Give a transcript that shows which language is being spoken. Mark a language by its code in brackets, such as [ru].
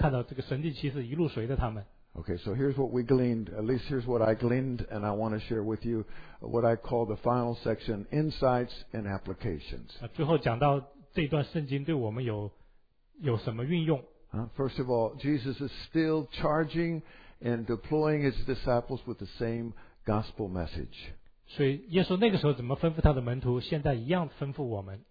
[zh] 我们之后看在使徒行传也都会看到这个神迹奇事一路随着他们。Okay, [en] so here's what we gleaned. At least here's what I gleaned, and I want to share with you what I call the final section, insights and applications. [zh] 最后讲到这段圣经对我们有什么运用。 [en] First of all, Jesus is still charging and deploying His disciples with the same gospel message. [zh] 所以耶稣那个时候怎么吩咐他的门徒, 现在一样吩咐我们。